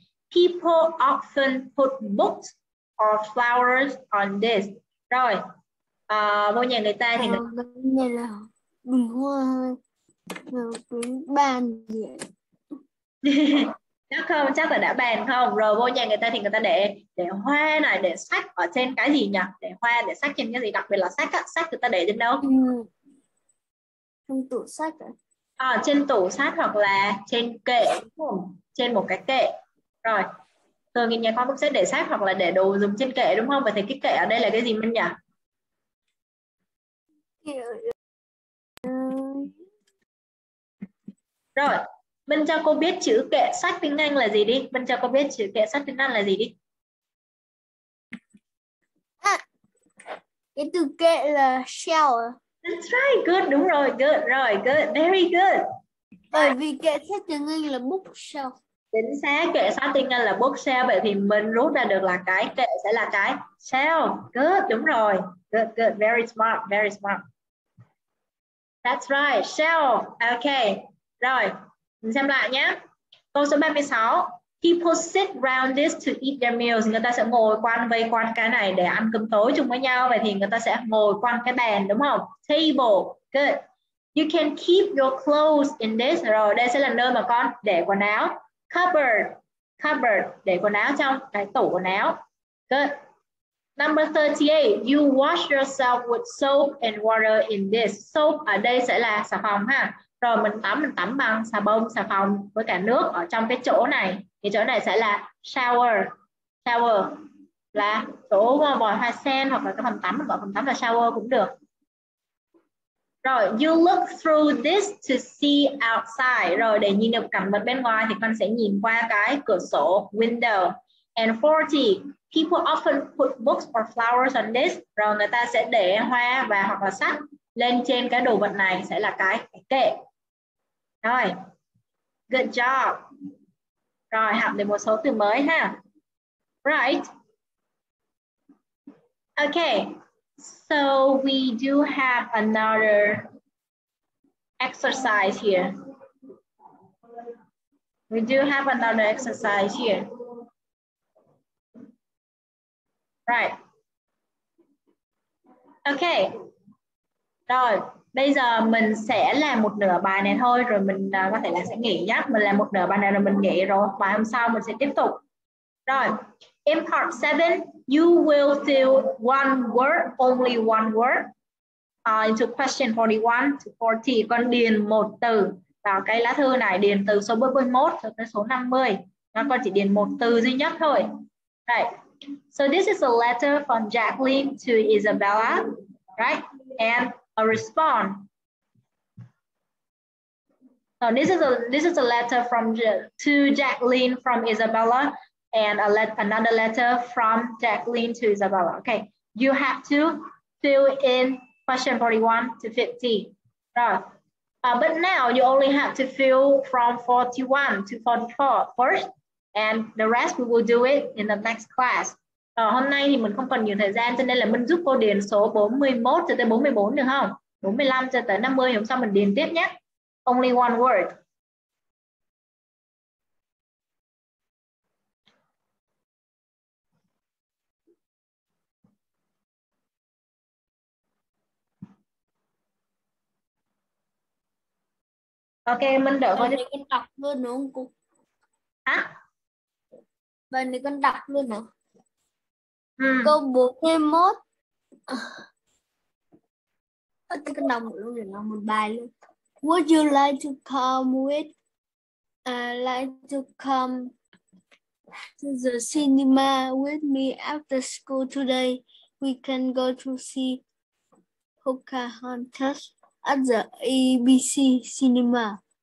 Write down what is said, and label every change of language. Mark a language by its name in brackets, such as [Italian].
[English] People often put books or flowers on this. [Vietnamese] Rồi, mỗi nhà người ta thì... Đây là bình hoa, cái bàn gì ạ? Chắc không, chắc là đã bàn không? Rồi vô nhà người ta thì người ta để hoa này, để sách ở trên cái gì nhỉ? Để hoa, để sách trên cái gì? Đặc biệt là sách á, sách người ta để trên đâu? Trong tủ sách á. Trên tủ sách hoặc là trên kệ, trên một cái kệ. Rồi, thường thì nhà con cũng sẽ để sách hoặc là để đồ dùng trên kệ đúng không? Vậy thì cái kệ ở đây là cái gì Minh nhỉ? Kệ Rồi, Minh cho cô biết chữ kệ sách tiếng Anh là gì đi. Minh cho cô biết chữ kệ sách tiếng Anh là gì đi. Cái từ kệ là shelf. [English] That's right, good, [Vietnamese] đúng rồi, [English] good, rồi, good, very good. [Vietnamese] Bởi vì kệ sách tiếng Anh là bookshelf. Chính xác, kệ sách tiếng Anh là bookshelf, vậy thì mình rút ra được là cái kệ sẽ là cái shelf. [English] Good, đúng rồi, good, good, very smart, very smart. That's right, shelf, okay, rồi, [Vietnamese] mình xem lại nhé. Câu số [English] 36, people sit around this to eat their meals. [Vietnamese] Người ta sẽ ngồi quanh vây quanh cái này để ăn cơm tối chung với nhau. Vậy thì người ta sẽ ngồi quanh cái bàn đúng không? Table. Good. [English] You can keep your clothes in this. [Vietnamese] Rồi đây sẽ là nơi mà con để quần áo. Cupboard. Cupboard. Để quần áo trong cái tủ quần áo. Good. Number 38. [English] You wash yourself with soap and water in this. Soap [Vietnamese] ở đây sẽ là xà phòng ha. Rồi mình tắm bằng xà bông, xà phòng với cả nước ở trong cái chỗ này. Thì chỗ này sẽ là shower. Shower là chỗ vòi hoa sen hoặc là cái phòng tắm, gọi phòng tắm là shower cũng được. [English] Rồi, you look through this to see outside. [Vietnamese] Rồi, để nhìn được cảnh vật bên ngoài thì con sẽ nhìn qua cái cửa sổ, window. [English] And 40, people often put books or flowers on this. [Vietnamese] Rồi, người ta sẽ để hoa và hoặc là sách lên trên cái đồ vật này, sẽ là cái kệ. Rồi, good job. Rồi, học được một số từ mới ha. [English] Right. Okay. So we do have another exercise here. We do have another exercise here. Right. Okay. [Vietnamese] Rồi, bây giờ mình sẽ làm một nửa bài này thôi, rồi mình có thể là sẽ nghỉ nhá. Mình làm một nửa bài này rồi mình nghỉ, rồi bài hôm sau mình sẽ tiếp tục. Rồi, [English] in part 7, you will fill one word, only one word, into question 41 to 40. [Vietnamese] Con điền một từ vào cái lá thư này, điền từ số 41 cho tới số 50. Con chỉ điền một từ duy nhất thôi. [English] Right. So this is a letter from Jacqueline to Isabella, right? And a response. So this is a letter from to Jacqueline from Isabella. And another letter from Jacqueline to Isabella. Okay, you have to fill in question 41 to 50. But now you only have to fill from 41 to 44 first, and the rest we will do it in the next class. [Vietnamese] Hôm nay thì mình không cần nhiều thời gian, cho nên là mình giúp cô điền số 41 cho tới 44 được không? 45 cho tới 50, hôm sau mình điền tiếp nhé. [English] Only one word. [Vietnamese] Ok, mình đợi con đi. Con đọc luôn đúng không cô? Hả? Bên này con đọc luôn hả? Câu 41. Thì con đọc một lúc để làm một bài luôn. [English] Would you like to come with, to the cinema with me after school today? We can go to see Pocahontas at the ABC cinema.